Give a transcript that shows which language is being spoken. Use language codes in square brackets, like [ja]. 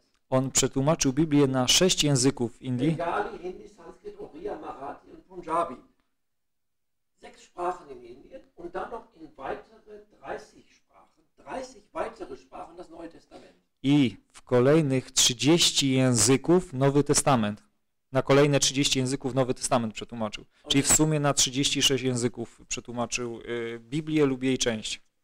[pl] On przetłumaczył Biblię na 6 języków w Indii. Bengali, Hindi, Sanskrit, Oriya, Marathi i Punjabi. [de] 6 sprachen in Indien und dann noch in weitere 30 sprachen. 30 weitere sprachen das Neue Testament. [pl] I w kolejnych 30 języków Nowy Testament. Na kolejne 30 języków Nowy Testament przetłumaczył. Czyli w sumie na 36 języków przetłumaczył Biblię lub jej część.